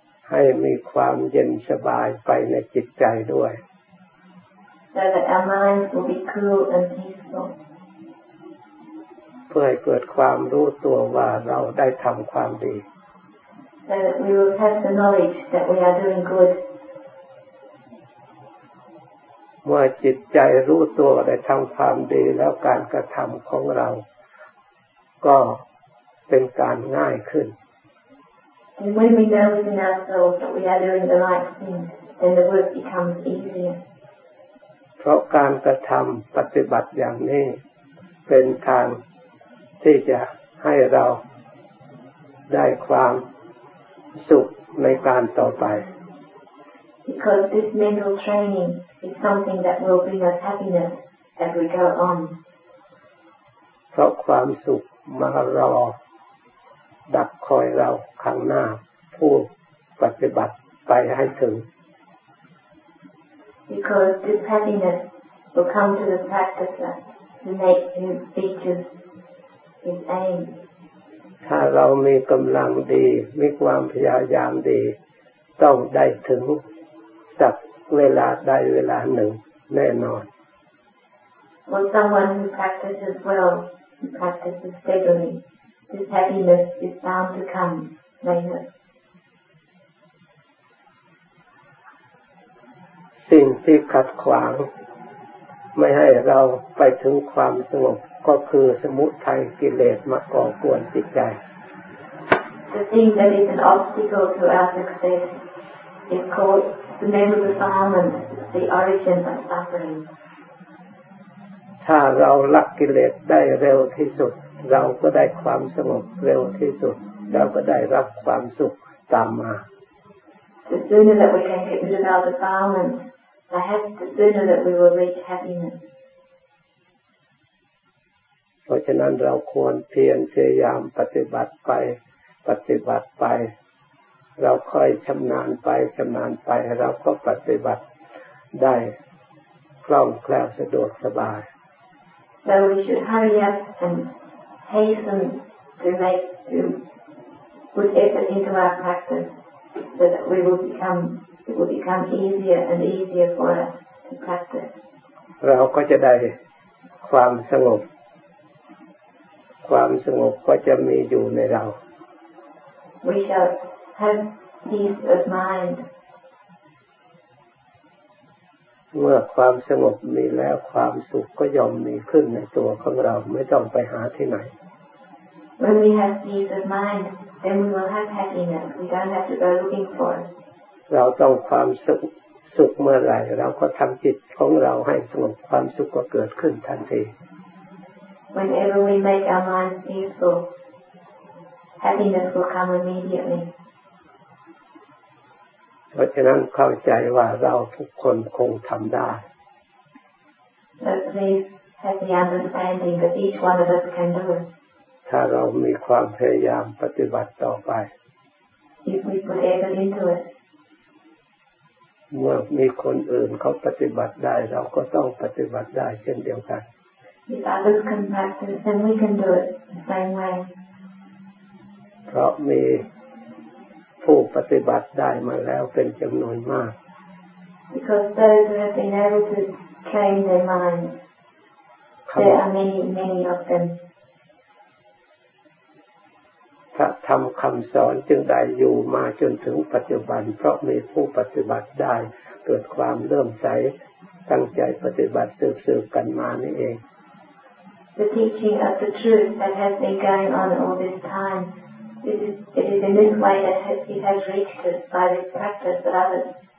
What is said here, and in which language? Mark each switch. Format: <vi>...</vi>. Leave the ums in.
<th>ให้มีความเย็นสบายไปในจิตใจด้วย</th> <en>so that our minds will be cool and peaceful,</en> <th>เพื่อให้เกิดความรู้ตัวว่าเราได้ทำความดี</th> <en>so that we will have the knowledge that we are doing good.</en> <th>เมื่อจิตใจรู้ตัวได้ทำความดีแล้วการกระทำของเรา ก็เป็นการง่ายขึ้น</th> <en>And when we know within ourselves that we are doing the right thing, then the work becomes easier.</en> <th>เพราะการกระทำปฏิบัติอย่างนี้ เป็นทางที่จะให้เราได้ความสุขในการต่อไป</th> <en>Because this mental training is something that will bring us happiness as we go on.</en> <th>เพราะความสุขมารอ ดักคอยเราข้างหน้า ผู้ปฏิบัติไปให้ถึง</th> <en>Because this happiness will come to the practicer who makes who reaches his aim.</en> <th>ถ้าเรามีกำลังดี มีความพยายามดี ต้องได้ถึงสักเวลาใดเวลาหนึ่งแน่นอน</th> <en>Or someone who practices well, who practices steadily, this happiness is bound to come later.</en> <th>สิ่งที่ขัดขวาง ไม่ให้เราไปถึงความสงบก็คือสมุทัยกิเลสมาก่อกวนจิตใจ</th> <en>The thing that is an obstacle to our success is called the mental defilement, the origin of suffering.</en> <th>ถ้าเราละกิเลสได้เร็วที่สุด เราก็ได้ความสงบเร็วที่สุด เราก็ได้รับความสุขตามมา</th> <en>The sooner that we can get rid of our defilement, the, hap- the sooner that we will reach happiness.</en> <th>เพราะฉะนั้นเราควรเพียรพยายามปฏิบัติไป ปฏิบัติไป เราค่อยชำนาญไปชำนาญไป เราก็ปฏิบัติได้คล่องแคล่วสะดวกสบาย</th> <en>So we should hurry up and hasten to make to put effort into our practice, so that we will become it will become easier and easier for us to practice.</en> <th>เราก็จะได้ความสงบ ความสงบก็จะมีอยู่ในเรา</th> <en>We shall have peace of mind</en> <th>เมื่อความสงบมีแล้วความสุขก็ย่อมมีขึ้นในตัวของเราไม่ต้องไปหาที่ไหน</th> <en>When we have peace of mind, then we will have happiness. We don't have to go looking for it.</en> <th>เราต้องความสุขสุขเมื่อไหร่ เราก็ทำจิตของเราให้สงบความสุขก็เกิดขึ้นทันที</th> <en>Whenever we make our minds peaceful, happiness will come immediately.</en> <th>เพราะฉะนั้นเข้าใจว่าเราทุกคนคงทำได้</th> <en>So please have the understanding that each one of us can do it</en> <th>ถ้าเรามีความพยายามปฏิบัติต่อไป</th> <en>if we put effort into it.</en> <th>เมื่อมีคนอื่นเขาปฏิบัติได้ เราก็ต้องปฏิบัติได้เช่นเดียวกัน</th> <en>If others can practice, then we can do it the same way</en> <th>เพราะมีผู้ปฏิบัติได้มาแล้วเป็นจำนวนมาก</th> <en>because those who have been able to train their minds, ค there are many, many of them.</en> <th>พระธรรมคำสอนจึงได้อยู่มาจนถึงปัจจุบัน เพราะมีผู้ปฏิบัติได้ เกิดความเริ่อมใสตั้งใจปฏิบัติสืบๆกันมานี่เอง</th> <en>the teaching of the truth that has been going on all this time. It is, it is in this way that ha- it has reached us by this practice that others.</en>